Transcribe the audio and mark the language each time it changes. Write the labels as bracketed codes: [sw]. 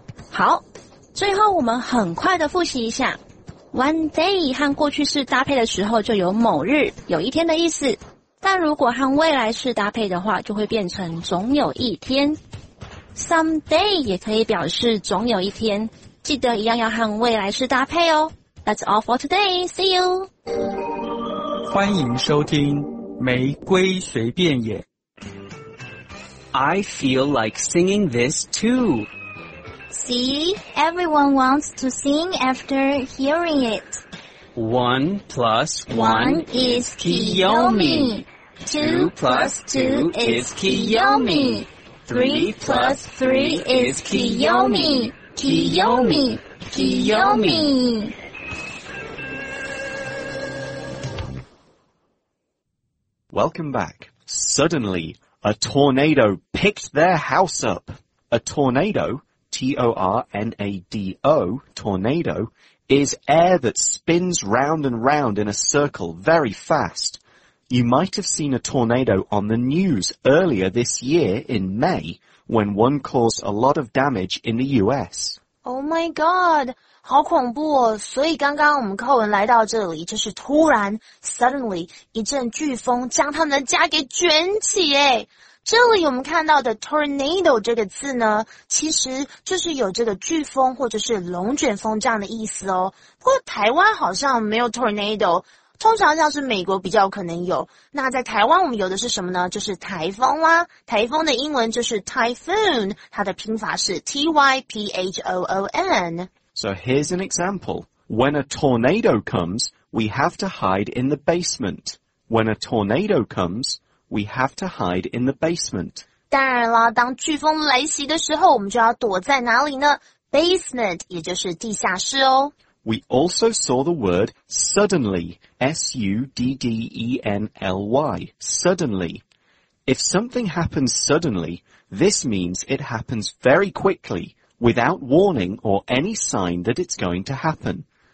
[zh] 好，最后我们很快的复习一下，One day 和过去式搭配的时候就有某日有一天的意思，但如果和未来式搭配的话就会变成总有一天。 Someday 也可以表示总有一天，记得一样要和未来式搭配哦。 [en] That's all for today, see you! [zh] 欢迎收听玫瑰随便演。 [en] I feel like singing this too. See, everyone wants to sing after hearing it. 1+1 is Kiyomi. 2+2 is Kiyomi. 3+3 is Kiyomi. Kiyomi, Kiyomi. Welcome back. Suddenly, a tornado picked their house up. A tornado... T-O-R-N-A-D-O, tornado, is air that spins round and round in a circle very fast. You might have seen a tornado on the news earlier this year in May, when one caused a lot of damage in the U.S. Oh my god, [zh] 好恐怖哦。所以刚刚我们课文来到这里，就是突然 suddenly, 一阵飓风将他们的家给卷起耶。这里我们看到的 tornado 这个字呢，其实就是有这个飓风或者是龙卷风这样的意思哦。不过台湾好像没有 tornado, 通常像是美国比较可能有。那在台湾我们有的是什么呢？就是台风啦。台风的英文就是 typhoon, 它的拼法是 T-Y-P-H-O-O-N. [en] So here's an example. When a tornado comes, we have to hide in the basement. When a tornado comes,We have to hide in the basement. [zh] 当然啦，当飓风来袭的时候，我们就要躲在哪里呢？ Basement, 也就是地下室哦。 [en] We also saw the word suddenly, S-U-D-D-E-N-L-Y, suddenly. If something happens suddenly, this means it happens very quickly, without warning or any sign that it's going to happen.